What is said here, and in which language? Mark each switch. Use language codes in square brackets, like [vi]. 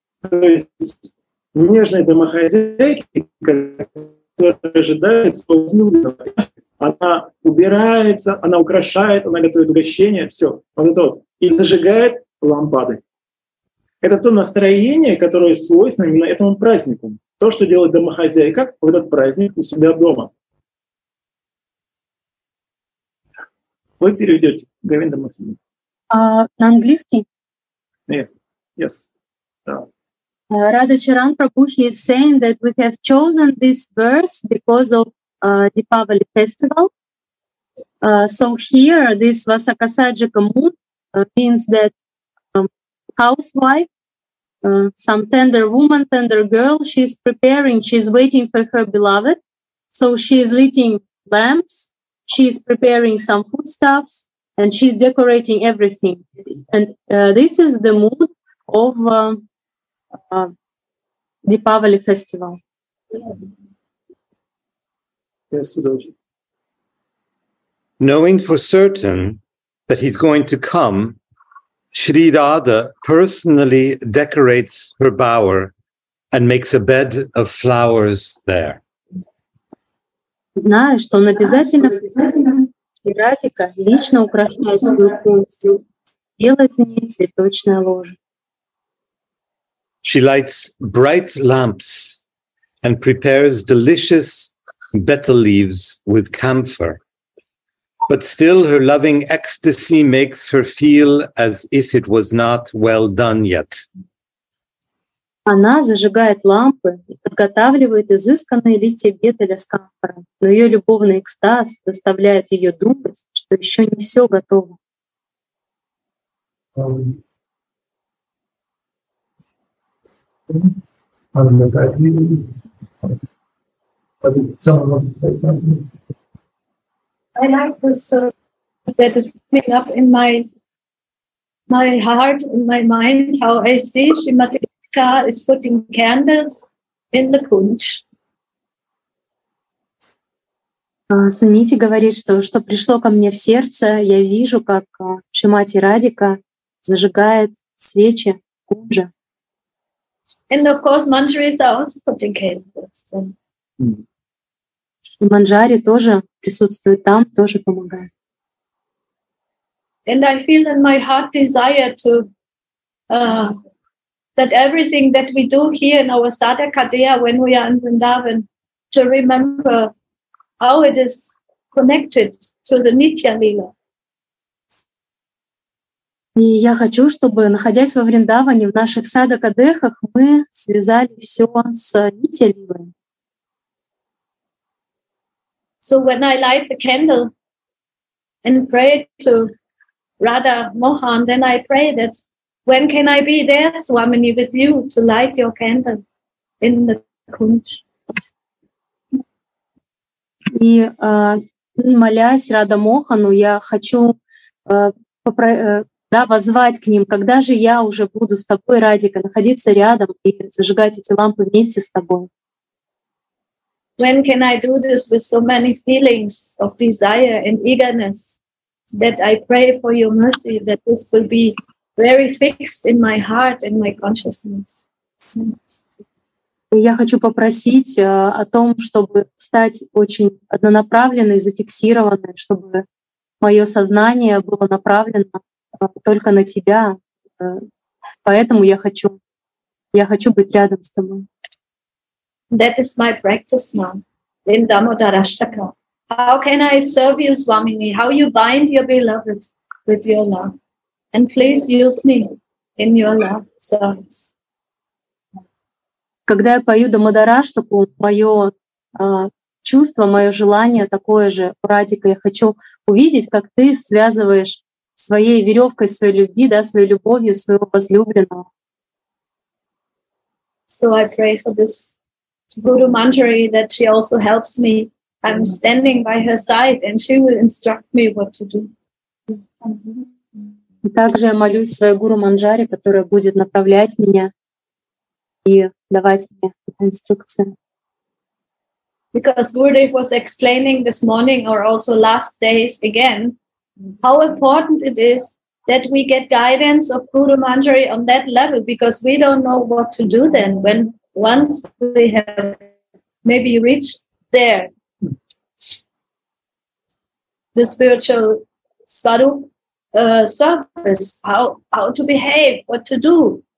[ru] То есть нежная домохозяйка, которая ожидает своего возлюбленного, она убирается, она украшает, она готовит угощение, все, вот это вот, и зажигает лампады. Это то настроение, которое свойственно именно этому празднику. То, что делает домохозяйка в этот праздник у себя дома. Вы переведете, Говинда Махини. На английский? Нет. [en] Yes. Radha Charan Prabhu, he is saying that we have chosen this verse because of Deepavali festival. So here, this Vasakasajika mood means that housewife, some tender woman, tender girl, she's preparing, she's waiting for her beloved. So she's lighting lamps, she's preparing some foodstuffs, and she's decorating everything. And this is the mood of Deepavali festival. Knowing for certain that he's going to come, Shri Radha personally decorates her bower and makes a bed of flowers there. [ru] знаю, что он обязательно, и Радика лично украшает свою комнату, делает в ней цветочное ложе. [en] She lights bright lamps and prepares delicious betel leaves with camphor. But still her loving ecstasy makes her feel as if it was not well done yet. [ru] Она зажигает лампы и подготавливает изысканные листья бетеля с камфором, но ее любовный экстаз заставляет ее думать, что еще не все готово. [en] I like this that is coming up in my heart, in my mind, how I see Shrimati Radhika is putting candles in the kunj. [ru] Суните говорит, что пришло ко мне в сердце, я вижу, как Шримати Радика зажигает свечи в кунже. [en] And of course, Manjari's are also putting candles in. Mm. [ru] Манджари тоже присутствует там, тоже помогает. [en] And I feel in my heart desire to that everything that we do here in our Sada Kadeya when we are in Vrindavan, to remember how it is connected to the Nitya Lila. [ru] И я хочу, чтобы, находясь во Вриндаване, в наших Сада Кадехах, мы связали все с Нитья Лилой. [en] So when I light the candle and pray to Radha Mohan, then I pray that when can I be there, Swamini, with you to light your candle in the kunj. [ru] И молясь Радха Мохану, я хочу воззвать к ним, когда же я уже буду с тобой, Радика, находиться рядом и зажигать эти лампы вместе с тобой. [en] When can I do this with so many feelings of desire and eagerness that I pray for your mercy that this will be very fixed in my heart and my consciousness? [ru] Я хочу попросить о том, чтобы стать очень однонаправленной, зафиксированной, чтобы мое сознание было направлено только на тебя. Поэтому я хочу быть рядом с тобой. [en] That is my practice now in Damodarashtaka. How can I serve you, Swamini? How you bind your beloved with your love? And please use me in your love service. [ru] Когда я пою Дамодараштаку, мое чувство, мое желание такое же, Радика, я хочу увидеть, как ты связываешь своей веревкой своей любви, да, своей любовью, своего возлюбленного. [en] So I pray for this. Guru Manjari, that she also helps me. I'm standing by her side, and she will instruct me what to do. [ru] Также я молюсь своей Гуру Манджари, которая будет направлять меня и давать мне инструкции. [en] Because Gurudev was explaining this morning or also last days again, how important it is that we get guidance of Guru Manjari on that level, because we don't know what to do then when. Once we have maybe reached there, the spiritual svarup service, how to behave, what to do.